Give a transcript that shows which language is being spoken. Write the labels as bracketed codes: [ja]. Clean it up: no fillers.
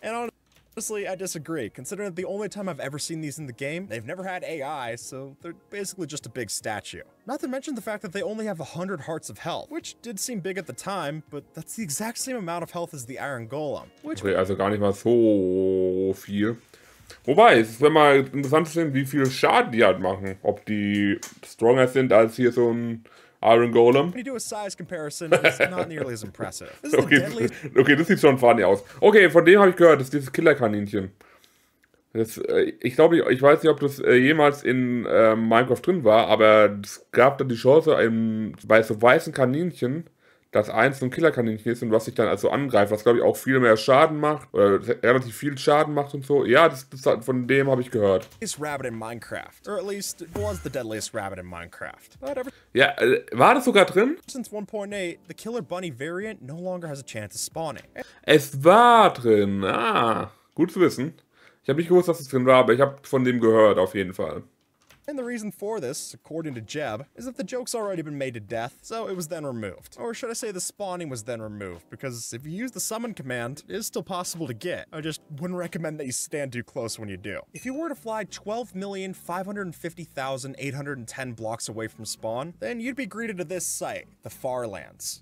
[en] And honestly, I disagree, considering that the only time I've ever seen these in the game, they've never had AI, so they're basically just a big statue. Not to mention the fact that they only have 100 hearts of health, which did seem big at the time, but that's the exact same amount of health as the Iron Golem, which— [de] Okay, also gar nicht mal so viel. Wobei, es wäre mal interessant zu sehen, wie viel Schaden die halt machen, ob die stronger sind als hier so ein Iron Golem. [en] When you do a size comparison, it's not nearly as impressive. This is okay, the deadliest... [de] Okay, das sieht schon funny aus. Okay, von dem habe ich gehört, das ist dieses Killerkaninchen. Das, ich glaube, ich weiß nicht, ob das jemals in Minecraft drin war, aber es gab da die Chance, bei so weißen Kaninchen, dass eins so ein Killerkaninchen ist und was sich dann also angreift, was glaube ich auch viel mehr Schaden macht, oder relativ viel Schaden macht und so. Ja, das von dem habe ich gehört. [en] Ist Rabbit in Minecraft. Or at least it was the deadliest rabbit in Minecraft. [de] Ja, war das sogar drin? [en] Since 1.8, the killer bunny variant no longer has a chance of spawning. [de] Es war drin, gut zu wissen. Ich habe nicht gewusst, dass es drin war, aber ich habe von dem gehört, auf jeden Fall. [en] And the reason for this, according to Jeb, is that the joke's already been made to death, so it was then removed. Or should I say the spawning was then removed, because if you use the summon command, it is still possible to get. I just wouldn't recommend that you stand too close when you do. If you were to fly 12,550,810 blocks away from spawn, then you'd be greeted at this site, the Farlands.